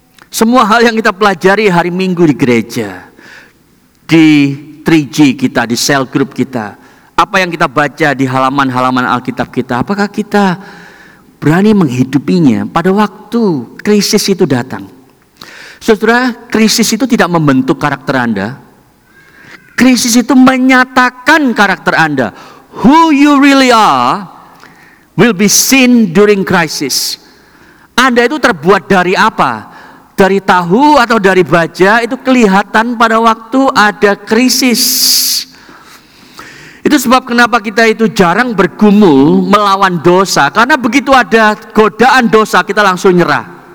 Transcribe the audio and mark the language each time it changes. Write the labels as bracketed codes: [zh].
[id] Semua hal yang kita pelajari hari Minggu di gereja, di 3G kita, di cell group kita, apa yang kita baca di halaman-halaman Alkitab kita, apakah kita berani menghidupinya pada waktu krisis itu datang? Saudara, krisis itu tidak membentuk karakter Anda. Krisis itu menyatakan karakter Anda. [en] Who you really are will be seen during crisis. [id] Anda itu terbuat dari apa? Dari tahu atau dari baja, itu kelihatan pada waktu ada krisis. Itu sebab kenapa kita itu jarang bergumul melawan dosa. Karena begitu ada godaan dosa, kita langsung nyerah.